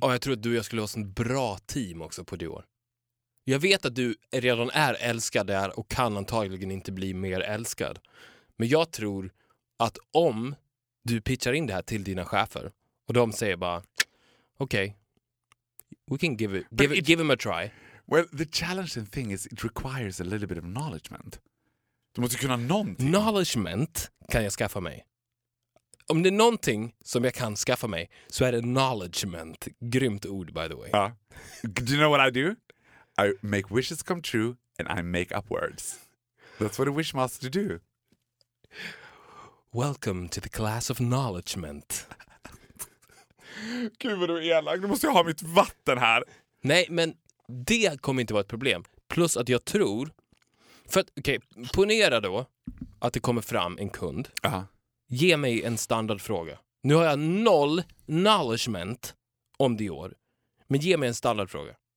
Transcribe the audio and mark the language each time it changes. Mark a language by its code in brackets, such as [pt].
[sv] Och jag tror att du och jag skulle ha en bra team också på Dior. Jag vet att du redan är älskad där och kan antagligen inte bli mer älskad. Men jag tror att om du pitchar in det här till dina chefer och de säger bara okej, [en] okay, we can give him a try. Well, the challenging thing is it requires a little bit of knowledge. [sv] Du måste kunna någonting. Knowledge kan jag skaffa mig. Om det är någonting som jag kan skaffa mig, så är det knowledge. Grymt ord, [en] by the way. Do you know what I do? I make wishes come true and I make up words. That's what a wish master do. Welcome to the class of knowledge. [sv] Gud vad du är elak. Nu måste jag ha mitt vatten här. Nej, men det kommer inte vara ett problem. Plus att jag tror, för att, okej, ponera då att det kommer fram en kund. Ge mig en standardfråga. Nu har jag noll knowledge om Dior, men ge mig en standardfråga.